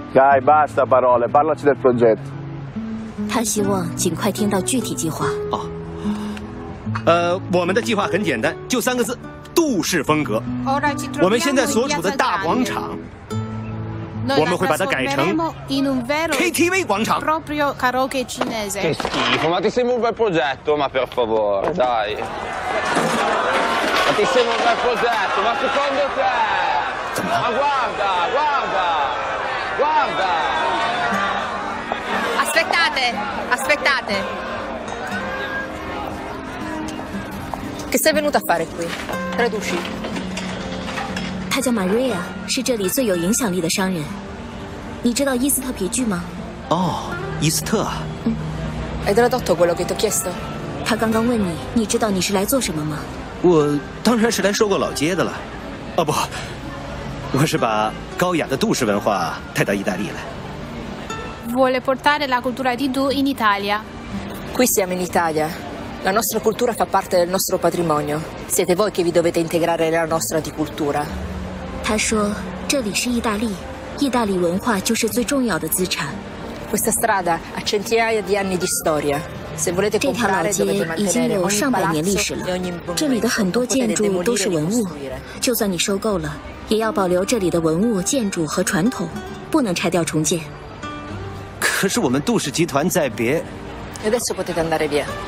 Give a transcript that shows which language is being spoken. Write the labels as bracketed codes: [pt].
[it] Guy, basta parole, parlaci del progetto。 [zh] 他希望尽快听到具体计划。我们的计划很简单，就三个字，杜氏风格。我们现在所处的大广场，我们会把它改成 KTV 广场。 [it] Che schifo, ma ti sembra un bel progetto, ma per favore, dai. Ma ti sembra un bel progetto, ma secondo te? [zh] 怎么了？ [it] Guarda, guarda, guarda. Aspettate, aspettate. Che sei venuta a fare qui? Traduci. [zh] 他叫 Maria， 是这里最有影响力的商人。你知道伊斯特皮具吗？哦，伊斯特。嗯。 [it] Hai tradotto quello che ti ho chiesto？ [zh] 他刚刚问你，你知道你是来做什么吗？我当然是来收购老街的了。哦不，我是把高雅的杜氏文化带到意大利来。 [it] Vuole portare la cultura di Du in Italia. Qui siamo in Italia. La nostra cultura fa parte del nostro patrimonio. Siete voi che vi dovete integrare nella nostra di cultura. [zh] 他说这里是意大利，意大利文化就是最重要的资产。 [it] Questa strada ha centinaia di anni di storia. Se volete comprare, [zh] 这条老街已经有上百年历史了。这里的很多建筑都是文物，就算你收购了，也要保留这里的文物、建筑和传统，不能拆掉重建。可是我们杜氏集团在别。 [it] Adesso potete andare via。